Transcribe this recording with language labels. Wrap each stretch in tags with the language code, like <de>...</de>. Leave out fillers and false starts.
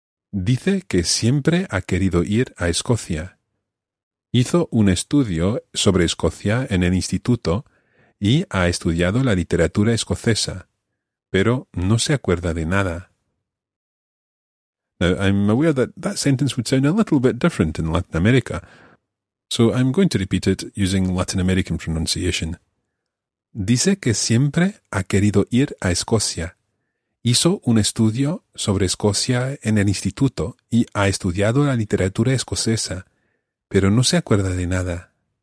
<es>Dice que siempre ha querido ir a Escocia. Hizo un estudio sobre Escocia en el instituto y ha estudiado la literatura escocesa, pero no se acuerda de nada.</es> <en>Now, I'm aware that that sentence would sound a little bit different in Latin America, so I'm going to repeat it using Latin American pronunciation.</en> <es>Dice que siempre ha querido ir a Escocia. Hizo un estudio sobre Escocia en el instituto y ha estudiado la literatura escocesa, pero no se acuerda de nada.</es>